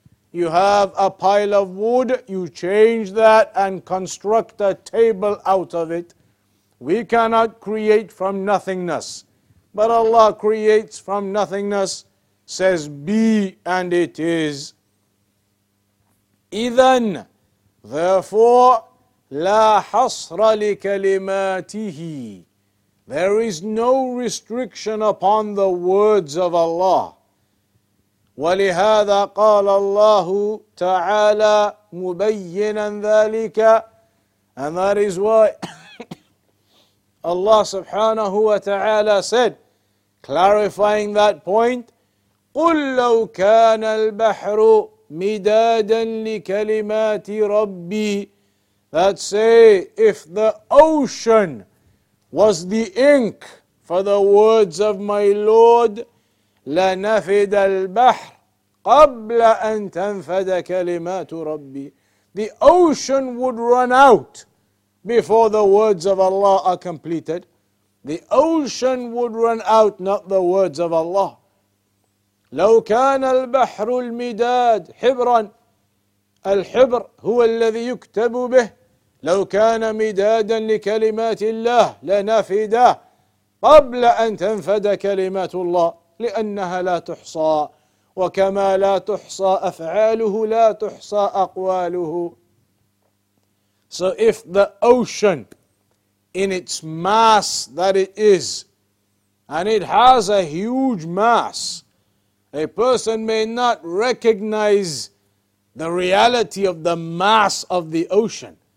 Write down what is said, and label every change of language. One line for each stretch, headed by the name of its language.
English: You have a pile of wood, you change that and construct a table out of it. We cannot create from nothingness, but Allah creates from nothingness, says be, and it is.
Arabic: إذن,
English: therefore,
Arabic: لا حصر لكلماته.
English: There is no restriction upon the words of Allah.
Arabic: ولهذا قال الله تعالى مبينا ذلك.
English: And that is why Allah subhanahu wa ta'ala said, clarifying that point,
Arabic: قُلْ لَوْ كَانَ الْبَحْرُ مِدَادًا لِكَلِمَاتِ رَبِّي.
English: That say, if the ocean was the ink for the words of my Lord,
Arabic: لَنَفِدَ الْبَحْرُ قَبْلَ أَن تَنْفَدَ كَلِمَاتُ رَبِّي.
English: The ocean would run out before the words of Allah are completed. The ocean would run out, not the words of Allah.
Arabic: لو كان البحر المداد حبرا الحبر هو الذي يكتب به لو كان مدادا لكلمات الله لنفدا قبل أن تنفد كلمات الله لأنها لا تحصى وكما لا تحصى أفعاله لا تحصى أقواله.
English: So if the ocean, in its mass that it is, and it has a huge mass, a person may not recognize the reality of the mass of the ocean.